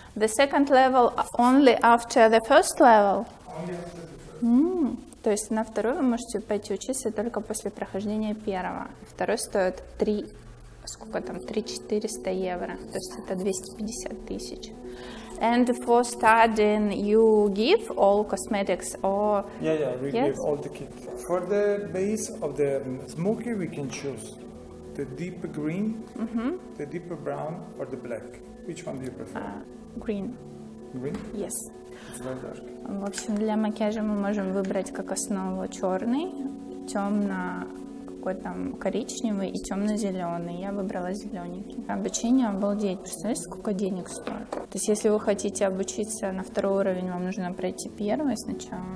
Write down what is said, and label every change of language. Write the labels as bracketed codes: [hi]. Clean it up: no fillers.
[en] The second level only after the first level. [ru] То есть на второй вы можете пойти учиться только после прохождения первого. Второй стоит 3400 евро. То есть это 250 тысяч. [en] And for studying, you give all cosmetics or... Give all the kit. For the base of the smoky, we can choose. The deep green, the deeper brown, or the black? Which one do you prefer? Green. Green? Yes. It's very dark. [ru] В общем, для макияжа мы можем выбрать как основу черный, темно какой там коричневый и темно-зеленый. Я выбрала зелененький. Обучение обалдеть. Представляете, сколько денег стоит? То есть, если вы хотите обучиться на второй уровень, вам нужно пройти первый сначала.